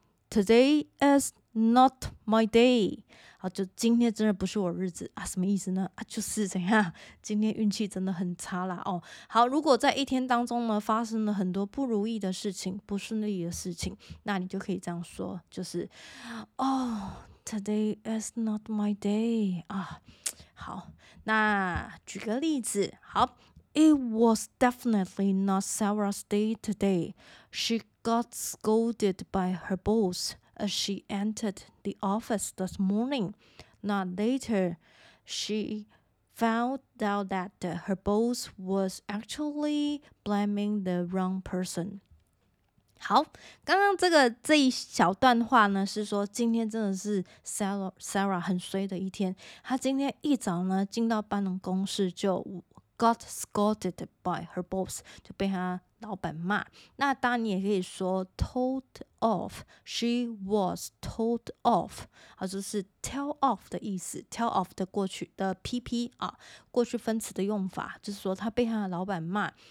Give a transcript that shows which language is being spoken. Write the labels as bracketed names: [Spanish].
[English] Today is not my day. [Chinese] 好，就今天真的不是我日子啊，什么意思呢？啊，就是怎样，今天运气真的很差啦哦。好，如果在一天当中呢发生了很多不如意的事情、不顺利的事情，那你就可以这样说，就是哦。 [English] Today is not my day [Chinese] 啊，好，那举个例子，好 [English] ，It was definitely not Sarah's day today. She got scolded by her boss as she entered the office this morning. Not later, she found out that her boss was actually blaming the wrong person. [Chinese] 好，刚刚这一小段话呢，是说今天真的是 Sarah 很衰的一天。她今天一早呢进到办公室就 [English] got scolded by her boss， [Chinese] 就被她老板骂。那当然你也可以说 told off， [English] she was told off， [Chinese] 好，就是 tell off 的意思 ，tell off 的过去的 PP 啊，过去分词的用法，就是说她被她的老板骂。